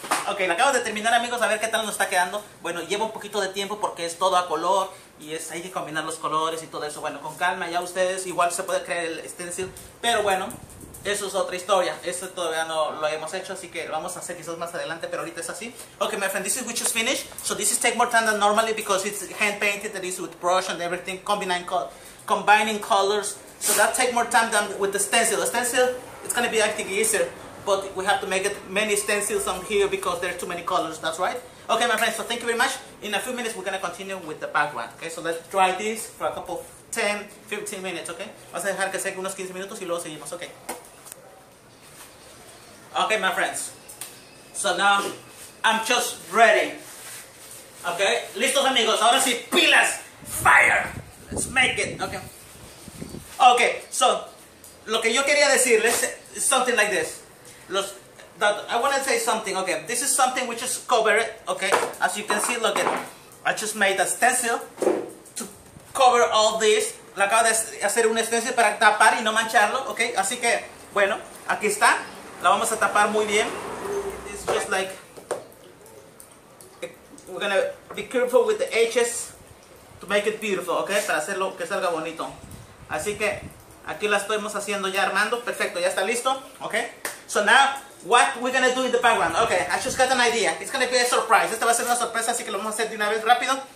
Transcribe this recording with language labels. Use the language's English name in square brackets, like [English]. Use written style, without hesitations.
[Spanish] Okay, lo acabo de terminar, amigos, a ver qué tal nos está quedando. Bueno, llevo un poquito de tiempo porque es todo a color y es, hay que combinar los colores y todo eso. Bueno, con calma, ya ustedes igual se puede crear el stencil, pero bueno, eso es otra historia. Eso todavía no lo hemos hecho, así que lo vamos a hacer quizás más adelante, pero ahorita es así. [English] Okay, my friend, this is which is finished. So this is take more time than normally because it's hand painted, that is with brush and everything, combining colors. So that take more time than with the stencil. The stencil, it's gonna be acting easier, but we have to make it many stencils on here because there's too many colors, that's right? Okay, my friends, so thank you very much. In a few minutes, we're gonna continue with the background, okay? So let's try this for a couple, 10, 15 minutes, okay? [Spanish] Vamos a dejar que seque unos 15 minutos y luego seguimos, okay? [English] Okay, my friends. So now, I'm just ready. Okay, [Spanish] listos, amigos. Ahora sí, pilas, [English] fire. Let's make it, okay? Okay, so, [Spanish] lo que yo quería decirles [English] is something like this. I want to say something, okay. This is something which is covered, okay. As you can see, look at it. I just made a stencil to cover all this. [Spanish] Le acabo de hacer un stencil para tapar y no mancharlo, okay. Así que, bueno, aquí está. La vamos a tapar muy bien. [English] It's just like, we're gonna be careful with the edges to make it beautiful, okay. [Spanish] Para hacerlo que salga bonito. Así que, aquí la estamos haciendo ya armando. Perfecto, ya está listo, okay. [English] So now, what we're gonna do in the background. Okay, I just got an idea. It's gonna be a surprise. [Spanish] Esta va a ser una sorpresa, así que lo vamos a hacer de una vez rápido.